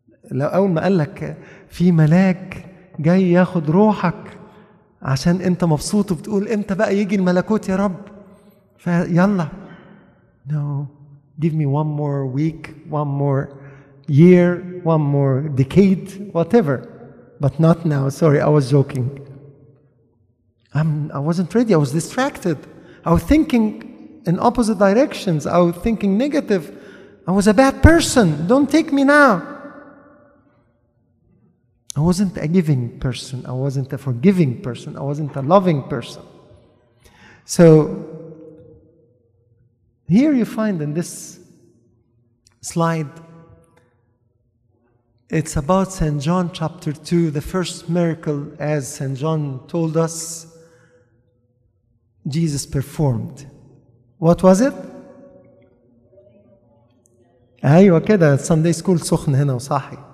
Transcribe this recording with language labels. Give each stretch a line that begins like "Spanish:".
Arabic: لو أول ما قال لك في ملاك جاي ياخد روحك عشان انت مبسوط وبتقول امتى بقى يجي الملكوت يا رب؟ فيلا.
English: No, give me one more week, one more year, one more decade, whatever. But not now, sorry, I was joking. I wasn't ready, I was distracted. I was thinking in opposite directions, I was thinking negative. I was a bad person, don't take me now. I wasn't a giving person, I wasn't a forgiving person, I wasn't a loving person. So, here you find in this slide, it's about St. John chapter 2, the first miracle, as St. John told us, Jesus performed. What was it?
Arabic: ايوه كده, Sunday school سخن هنا وصحي.